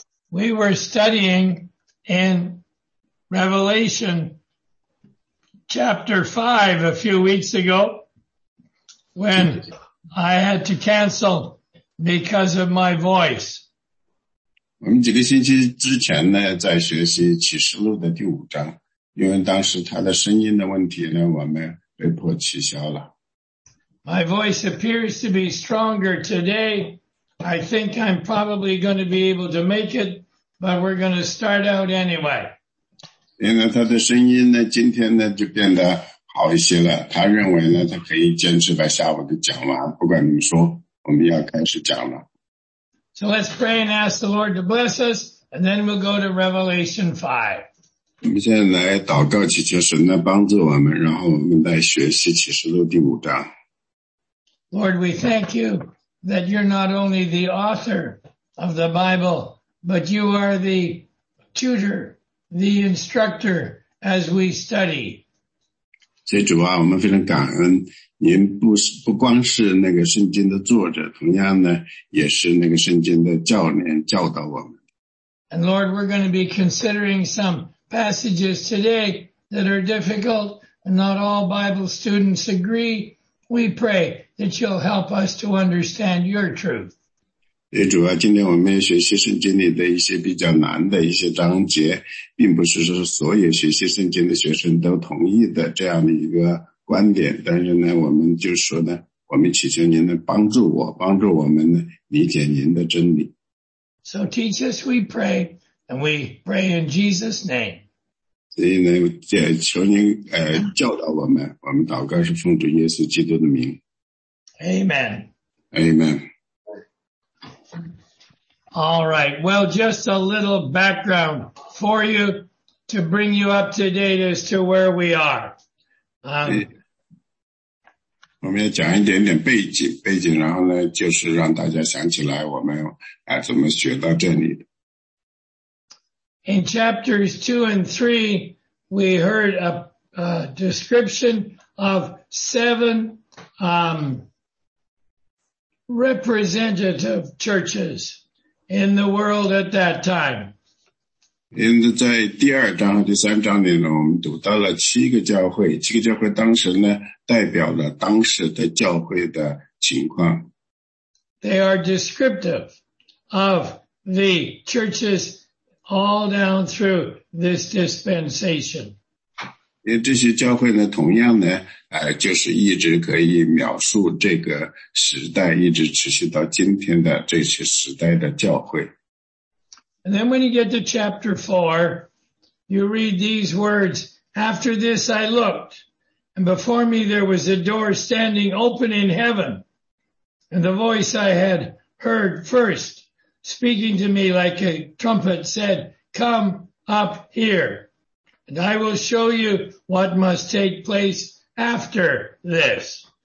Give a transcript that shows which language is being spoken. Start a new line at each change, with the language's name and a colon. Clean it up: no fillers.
English: We were studying in Revelation chapter 5 a few weeks ago when I had to cancel because of my voice.
Chinese: 我们几个星期之前呢，在学习启示录的第五章，因为当时他的声音的问题呢，我们被迫取消了。
English: My voice appears to be stronger today. I think I'm probably going to be able to make it, but we're going to start out anyway.
Chinese: 因为他的声音呢，今天呢就变得好一些了。他认为呢，他可以坚持把下午的讲完。不管怎么说，我们要开始讲了。
English: So let's pray and ask the Lord to bless us, and then we'll go to Revelation 5.
Chinese: 我们现在来祷告祈求神来帮助我们，然后我们来学习启示录第五章。
English: Lord, we thank you that you're not only the author of the Bible, but you are the tutor, the instructor as we study.
Chinese: 所以主啊，我们非常感恩。您不光是那个圣经的作者，同样呢，也是那个圣经的教练，教导我们。
English: And Lord, we're going to be considering some passages today that are difficult, and not all Bible students agree. We pray that you'll help us to understand your truth.
Chinese: 也主要今天我们学习圣经里的一些比较难的一些章节，并不是说所有学习圣经的学生都同意的这样的一个观点，但是呢，我们就说呢，我们祈求您能帮助我，帮助我们呢理解您的真理。
English: So teach us, we pray, and we pray in Jesus' name.
Chinese: 所以呢，求您教导我们，我们祷告是奉主耶稣基督的名。
English: Amen. Amen. All right. Well, just a little background for you to bring you up to date as to where we are.
Chinese: 我们要讲一点点背景，然后呢，就是让大家想起来我们怎么学到这里的。
English: In chapters 2 and 3, we heard a description of seven representative churches in the world at that time.
Chinese: 因为在第二章和第三章里呢，我们读到了七个教会当时呢代表了当时的教会的情况。
English: They are descriptive of the churches all down through this dispensation.
Chinese: 因为这些教会呢同样呢就是一直可以描述这个时代一直持续到今天的这些时代的教会。
English: And then when you get to chapter 4, you read these words, after this I looked, and before me there was a door standing open in heaven, and the voice I had heard first, speaking to me like a trumpet, said, come up here, and I will show you what must take place after this.